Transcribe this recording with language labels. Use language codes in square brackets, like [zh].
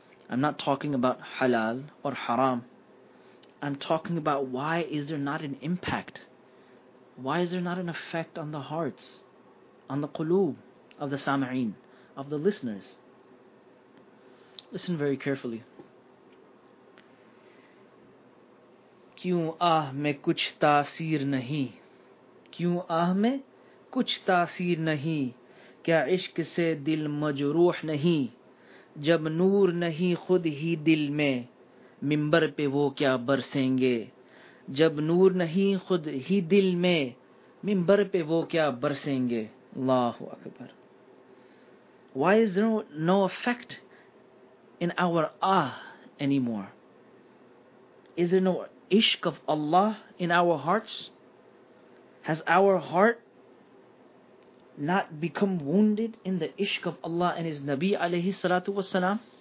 [en] I'm not talking about halal or haram. I'm talking about, why is there not an impact? Why is there not an effect on the hearts, on the qulub of the sami'een, of the listeners? Listen very carefully. [hi] क्यों आह में कुछ तासीर नहीं, क्यों आह में कुछ तासीर नहीं, क्या इश्क से दिल मजरूह नहीं, जब नूर नहीं खुद ही दिल में, मिंबर पे वो क्या बरसेंगे, जब नूर नहीं खुद ही दिल में, मिंबर पे वो क्या बरसेंगे। [ar] अल्लाहु अकबर। [en] Why is there no effect in our ah anymore? Is there no ishq of Allah in our hearts? Has our heart not become wounded in the ishq of Allah and His Nabi alayhi salatu wasalam?